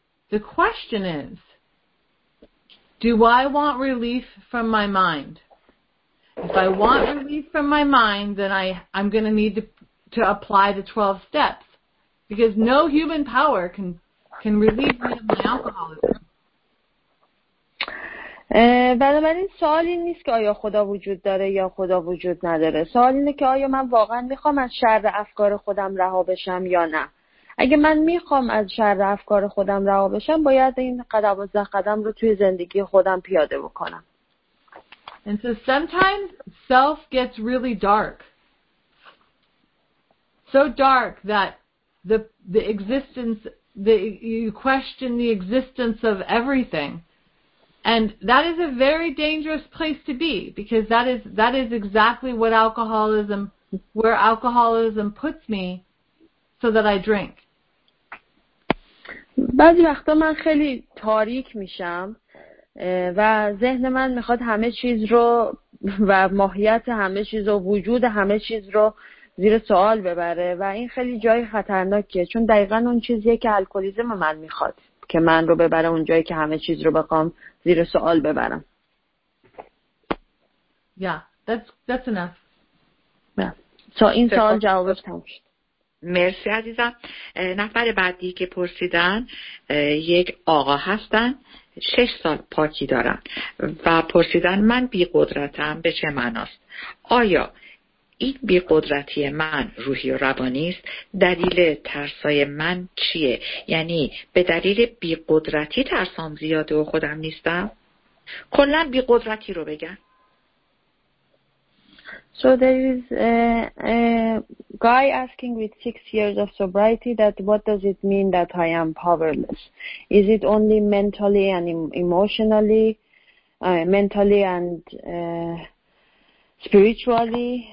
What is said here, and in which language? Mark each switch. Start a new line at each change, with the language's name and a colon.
English: The question is, do I want relief from my mind? If I want relief from my mind, then I'm going to need to apply the 12 steps, because no human power can relieve me of my alcoholism.
Persian: بنابراین سوال این نیست که آیا خدا وجود داره یا خدا وجود نداره. سوال اینه که آیا من واقعا میخوام از شر افکار خودم رها بشم یا نه. اگه من میخوام از شر افکار خودم رها بشم، باید این قدم از قدم رو توی زندگی خودم پیاده بکنم.
English: And so sometimes self gets really dark. So dark that the existence, you question the existence of everything. And that is a very dangerous place to be, because that is exactly what where alcoholism puts me, so that I drink.
Persian: بعضی وقتا من خیلی تاریک میشم و ذهن من میخواد همه چیز رو و ماهیت همه چیز و وجود همه چیز رو زیر سوال ببره و این خیلی جای خطرناکه، چون دقیقاً اون چیزیه که الکلیزم من میخواد که من رو ببره اون جایی که همه چیز رو بخوام زیر سوال ببرم.
English: Yeah, that's enough. Yeah.
Persian: So این سوال جوابش تموم شد. مرسی عزیزم. نفر بعدی که پرسیدن یک آقا هستن، 6 سال پاکی دارن و پرسیدن من بی قدرتم به چه معناست؟ آیا این بی قدرتی من روحی و روانی است؟ دلیل ترسای من چیه؟ یعنی به دلیل بی قدرتی ترسام زیاده و خودم نیستم؟ کلن بی قدرتی رو بگن.
English: So there is a guy asking with 6 years of sobriety that what does it mean that I am powerless? Is it only mentally and emotionally, mentally and spiritually?